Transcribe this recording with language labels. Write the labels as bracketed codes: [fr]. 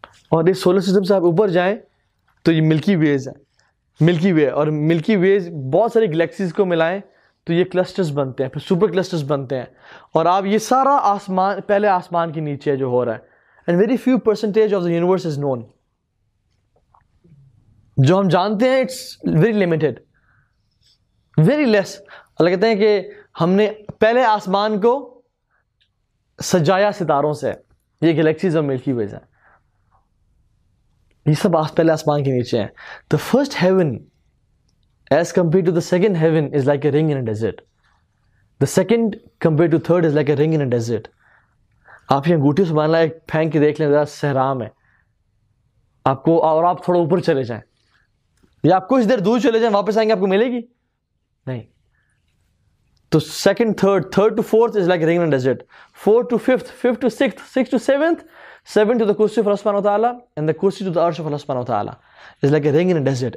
[ur] اور اس solar system سے آپ اوپر جائیں تو یہ ملکی ویز ہیں, ملکی وے, اور ملکی ویز بہت ساری گلیکسیز کو ملائیں تو یہ کلسٹرز بنتے ہیں, پھر سپر کلسٹرز بنتے ہیں. اور آپ یہ سارا آسمان, پہلے آسمان کے نیچے ہے جو ہو رہا ہے. [en] and very few percentage of the universe is known, [ur] جو ہم جانتے ہیں [en] It's very limited, very less. [ur] اللہ کہتے ہیں کہ ہم نے پہلے آسمان کو سجایا ستاروں سے, یہ گلیکسیز اور ملکی ویز ہیں, یہ سب پہلے آسمان کے نیچے ہیں. [en] The first heaven as compared to the second heaven is like a ring in a desert, the second compared to third is like a ring in a desert. [ur] آپ یہ انگوٹھی سبحان اللہ ایک پھینک کے دیکھ لیں, ذرا صحرا میں آپ کو, اور آپ تھوڑا اوپر چلے جائیں یا آپ کچھ دیر دور چلے جائیں, واپس آئیں گے آپ کو ملے گی نہیں. [en] تو second, third, third to fourth is like ring in desert, fourth to fifth, fifth to six, six to seventh, seven to the کرسی of Allah سبحانہ وتعالیٰ, and the کرسی to the عرش of Allah سبحانہ وتعالیٰ is like a ring in desert.